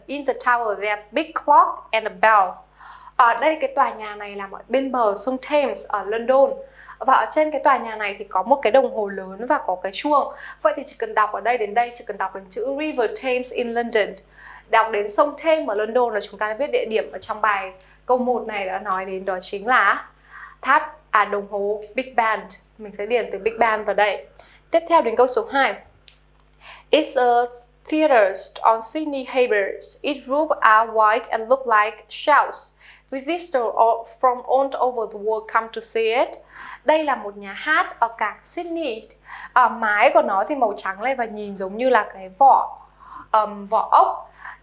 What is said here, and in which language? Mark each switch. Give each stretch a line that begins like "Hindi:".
English: In the tower there are big clock and a bell.
Vietnamese: Ở đây cái tòa nhà này là ở bên bờ sông Thames ở London. Và ở trên cái tòa nhà này thì có một cái đồng hồ lớn và có cái chuông. Vậy thì chỉ cần đọc ở đây đến đây, chỉ cần đọc đến chữ River Thames in London, đọc đến sông Thames ở London là chúng ta đã biết địa điểm ở trong bài câu 1 này đã nói đến, đó chính là tháp đồng hồ Big Ben. Mình sẽ điền từ Big Ben vào đây. Tiếp theo đến câu số 2.
English: It's a theater on Sydney Harbour. Its roofs are white and look like shells. visitors from all over the world come to see it.
Vietnamese: Đây là một nhà hát ở cảng Sydney. Mái của nó thì màu trắng lên và nhìn giống như là cái vỏ vỏ ốc.